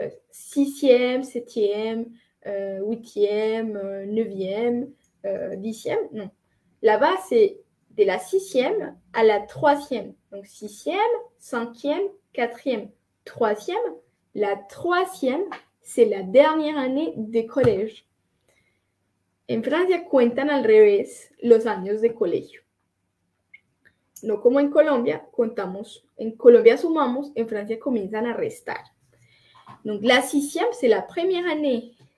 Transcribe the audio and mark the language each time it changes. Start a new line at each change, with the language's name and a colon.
French: Sixième, septième, huitième, neuvième, dixième. Non. Là-bas, c'est de la sixième à la troisième. Donc sixième, cinquième, quatrième, troisième. La troisième, c'est la dernière année de collège.
Spanish: En Francia, cuentan al revés los años de colegio. No como en Colombia, contamos, en Colombia sumamos, en Francia comienzan a restar.
French: Donc, la sixième, c'est la première année.